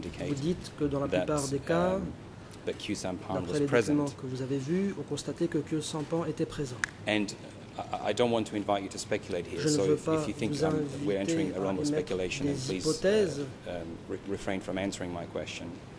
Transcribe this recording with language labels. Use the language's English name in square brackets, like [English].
[English] you've looked at the majority of them indicate that that Kyusampan was [French] les [English] present. [French] Que vous avez vus, on constatait que Kyusampan était présent. [English] And I don't want to invite you to speculate here, so if you think we're entering a realm of speculation, please refrain from answering my question.